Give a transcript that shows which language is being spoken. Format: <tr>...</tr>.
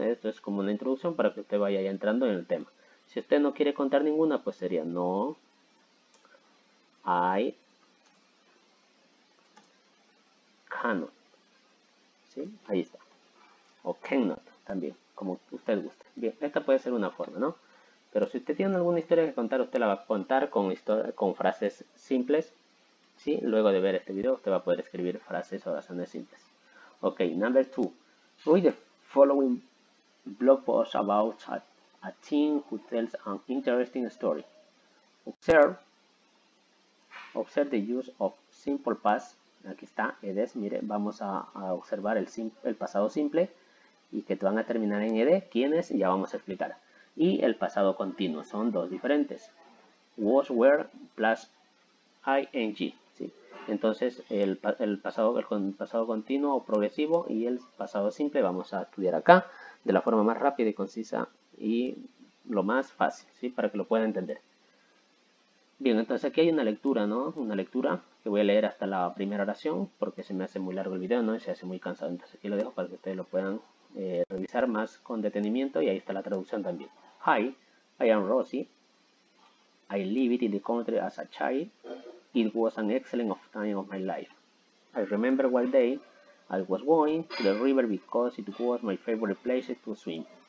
<es>Esto es como una introducción para que usted vaya ya entrando en el tema. Si usted no quiere contar ninguna, pues sería no,</es> <en>I cannot,</en> <es>¿sí? Ahí está. O cannot también, como usted guste. Bien, esta puede ser una forma, ¿no? Pero si usted tiene alguna historia que contar, usted la va a contar con, frases simples, ¿sí? Luego de ver este video, usted va a poder escribir frases o oraciones simples.</es> <en>Ok, number two. Read the following blog post about a teen who tells an interesting story. Observe the use of simple past.</en> <es>Aquí está, Edes. Mire, vamos a observar el pasado simple y que te van a terminar en ED. ¿Quién es? Ya vamos a explicar. Y el pasado continuo. Son dos diferentes.</es> <en>Was, were, plus ing.</en> <es>Entonces, el pasado continuo o progresivo y el pasado simple vamos a estudiar acá de la forma más rápida y concisa y lo más fácil, ¿sí? Para que lo pueda entender. Bien, entonces aquí hay una lectura, ¿no? Una lectura Voy a leer hasta la primera oración porque se me hace muy largo el video, ¿no? Y se hace muy cansado. Entonces aquí lo dejo para que ustedes lo puedan revisar más con detenimiento. Y ahí está la traducción también.</es> <en>Hi, I am Rosie. I lived in the country as a child. It was an excellent time of my life. I remember one day I was going to the river because it was my favorite place to swim.</en>